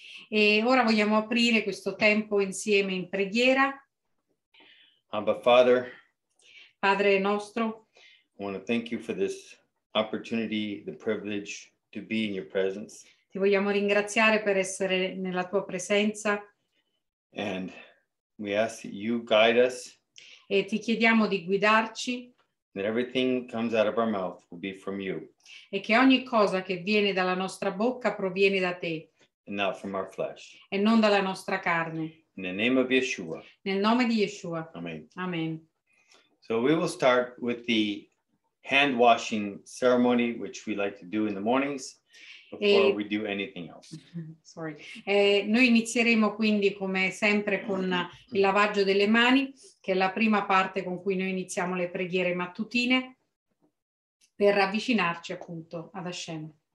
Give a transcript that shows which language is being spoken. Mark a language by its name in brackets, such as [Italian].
[Italian] E ora vogliamo aprire questo tempo insieme in preghiera. [English] Abba Father. [Italian] Padre nostro. [English] I want to thank you for this opportunity, the privilege to be in your presence. [Italian] Ti vogliamo ringraziare per essere nella tua presenza. [English] And we ask that you guide us. [Italian] E ti chiediamo di guidarci. [English] That everything comes out of our mouth will be from you. [Italian] E che ogni cosa che viene dalla nostra bocca proviene da te. [English] And not from our flesh. [Italian] E non dalla nostra carne. [English] In the name of Yeshua. [Italian] Nel nome di Yeshua. [English] Amen. Amen. So we will start with the hand washing ceremony, which we like to do in the mornings. Before we do anything else. Sorry. [Italian] Noi inizieremo quindi come sempre con il lavaggio delle mani, che è la prima parte con cui noi iniziamo le preghiere mattutine per avvicinarci appunto ad Hashem.